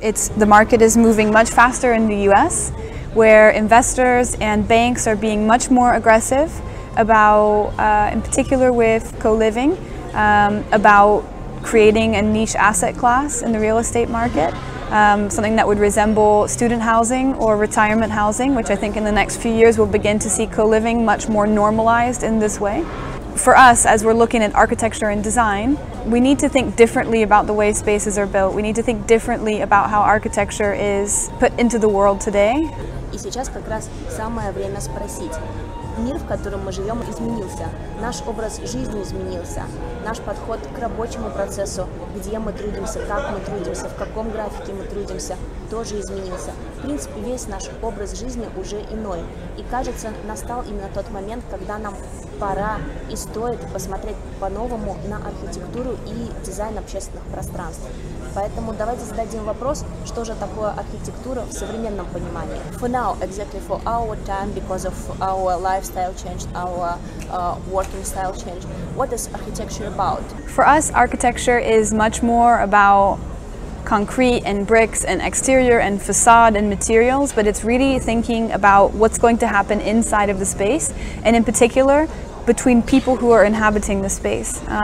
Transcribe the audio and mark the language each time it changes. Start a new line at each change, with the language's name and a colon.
English: The market is moving much faster in the US, where investors and banks are being much more aggressive about, in particular with co-living, about creating a niche asset class in the real estate market, something that would resemble student housing or retirement housing, which I think in the next few years we'll begin to see co-living much more normalized in this way. for us, as we're looking at architecture and design, we need to think differently about the way spaces are built. We need to think differently about how architecture is put into the world today.
Russian: И сейчас как раз самое время спросить. Мир, в котором мы живем, изменился. Наш образ жизни изменился. Наш подход к рабочему процессу, где мы трудимся, как мы трудимся, в каком графике мы трудимся, тоже изменился. В принципе, весь наш образ жизни уже иной. И кажется, настал именно тот момент, когда нам пора и стоит посмотреть по-новому на архитектуру и дизайн общественных пространств. Поэтому давайте зададим вопрос, что же такое архитектура в современном понимании.
English: For now, exactly for our time, because of our lifestyle changed, our working style changed, what is architecture about? For us, architecture is much more about concrete and bricks and exterior and facade and materials, but it's really thinking about what's going to happen inside of the space, and in particular, between people who are inhabiting the space,